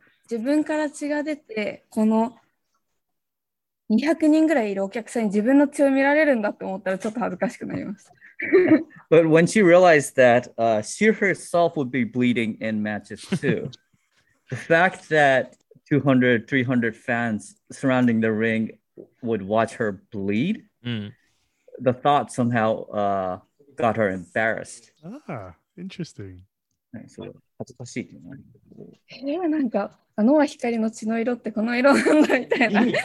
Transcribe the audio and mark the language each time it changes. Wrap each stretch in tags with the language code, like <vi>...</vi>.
<ja>自分から血が出てこの200人ぐらいいるお客さんに自分の血を見られるんだと思ったらちょっと恥ずかしくなります。</ja> <en>But when she realized that, she herself would be bleeding in matches too. The fact that 200, 300 fans surrounding the ring would watch her bleed, the thought somehow got her embarrassed. Ah, interesting.</en> <ja>So, 恥ずかしい。なんか、あのは光の血の色ってこの色なんだみたいな。</ja>